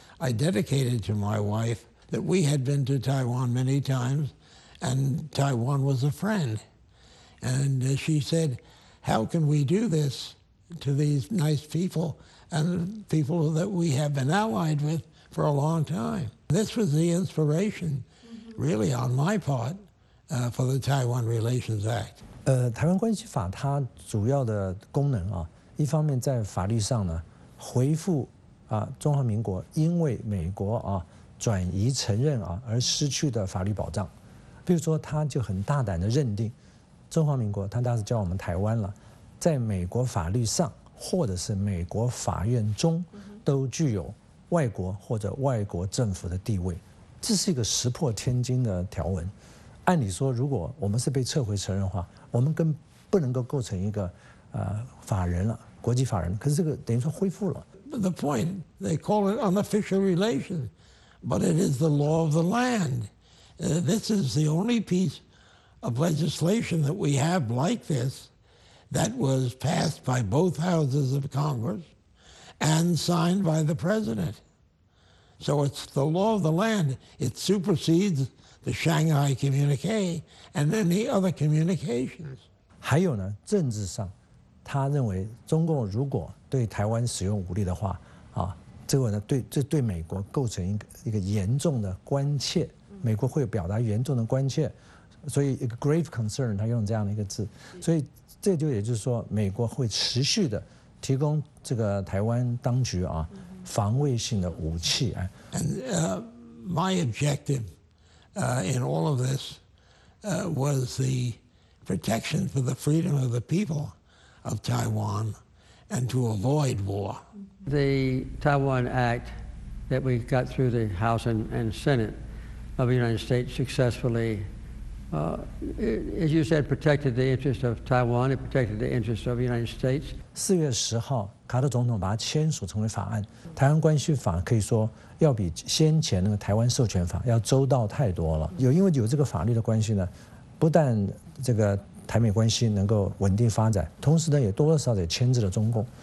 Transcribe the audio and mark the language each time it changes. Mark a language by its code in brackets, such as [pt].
[en] I dedicated to my wife that we had been to Taiwan many times, and Taiwan was a friend. And she said, how can we do this to these nice people and people that we have been allied with for a long time? This was the inspiration, really, on my part, for the Taiwan Relations Act. [zh] 台湾关系法它主要的功能啊，一方面在法律上呢，回复啊中华民国因为美国啊转移承认啊而失去的法律保障。比如说，他就很大胆的认定，中华民国他当时叫我们台湾了，在美国法律上或者是美国法院中，都具有外国或者外国政府的地位，这是一个石破天惊的条文。按理说，如果我们是被撤回承认的话，我们更不能够构成一个法人了，国际法人。可是这个等于说恢复了。 [en] The point they call it unofficial relation, but it is the law of the land. This is the only piece of legislation that we have like this that was passed by both houses of Congress and signed by the president. So it's the law of the land. It supersedes the Shanghai communique and any other communications. [zh] 还有呢，政治上，他认为中共如果对台湾使用武力的话，啊，这个呢，对这对美国构成一个严重的关切。美国会表达严重的关切，所以一个 [en] grave concern， [zh] 他用这样的一个字，所以这就也就是说，美国会持续的提供这个台湾当局啊防卫性的武器啊。 [en] And my objective in all of this was the protection for the freedom of the people of Taiwan and to avoid war. The Taiwan Act that we got through the House and Senate. Of the United States successfully, as you said, protected the interest of Taiwan. It protected the interest of the United States. [zh] 四月十号，卡特总统把它签署成为法案。台湾关系法可以说要比先前那个台湾授权法要周到太多了。有因为有这个法律的关系呢，不但这个台美关系能够稳定发展，同时呢也多多少少也牵制了中共。